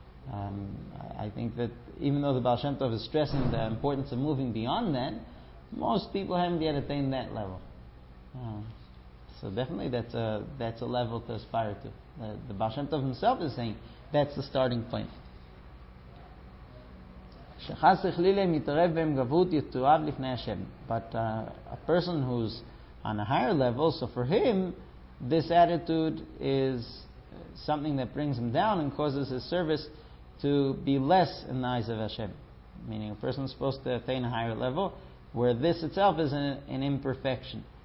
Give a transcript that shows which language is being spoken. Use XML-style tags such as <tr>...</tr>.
<en>I think that even though the Baal Shem Tov is stressing the importance of moving beyond that, most people haven't yet attained that level. So definitely that's a level to aspire to. The Baal Shem Tov himself is saying that's the starting point.</en> <he>שחס וחלילה מתערב בהם גבות יתואב לפני השם.</he> <en>But a person who's on a higher level, so for him, this attitude is something that brings him down and causes his service to be less in the eyes of Hashem. Meaning a person is supposed to attain a higher level where this itself is an imperfection.</en>